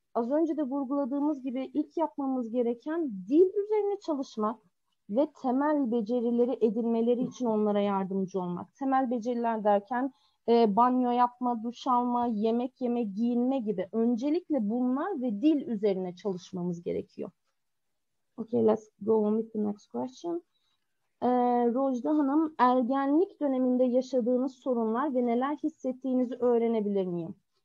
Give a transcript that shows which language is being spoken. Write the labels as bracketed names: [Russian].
[Turkish] Az önce de vurguladığımız gibi ilk yapmamız gereken dil üzerine çalışmak ve temel becerileri edinmeleri için onlara yardımcı olmak. Temel beceriler derken banyo yapma, duş alma, yemek yeme, giyinme gibi. Öncelikle bunlar ve dil üzerine çalışmamız gerekiyor. [English] Okay, let's go on with the next question. [Turkish] Rojda Hanım, ergenlik döneminde yaşadığınız sorunlar ve neler hissettiğinizi öğrenebilir miyim?